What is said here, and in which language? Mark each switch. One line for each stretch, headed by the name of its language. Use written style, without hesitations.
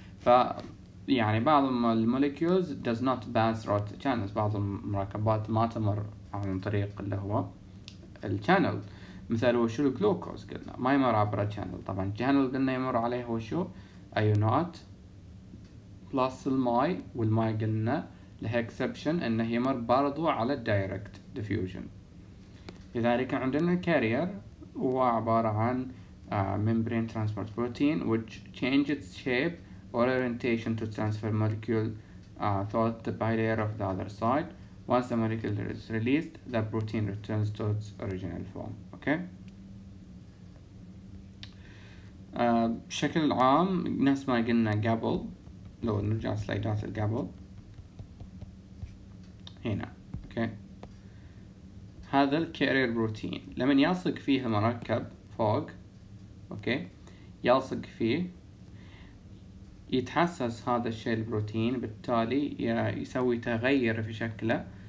Arabic: ف يعني بعض المولكيولز
English: does not pass through the channels،
Arabic: بعض المركبات ما تمر عن طريق اللي هو الشانل. مثال وشو الجلوكوز قلنا ما يمر عبر الشانل، طبعا الشانل قلنا يمر عليه وشو ايونات بلس الماي، والماي قلنا له اكسبشن انه يمر برضو على الدايركت ديفيوجن. لذلك عندنا الكارير هو عبارة عن
English: membrane transport protein which changes shape or orientation to transfer molecule through the bilayer of the other side. Once the molecule is released, the protein returns to its original form. Okay.
Arabic: بشكل عام نفس ما قلنا قبل، لو نرجع سلايدات قبل هنا، okay. هذا الكارير بروتين لما يلصق فيه المركب فوق، اوكي، يلصق فيه يتحسس هذا الشيء البروتين، بالتالي يسوي تغير في شكله،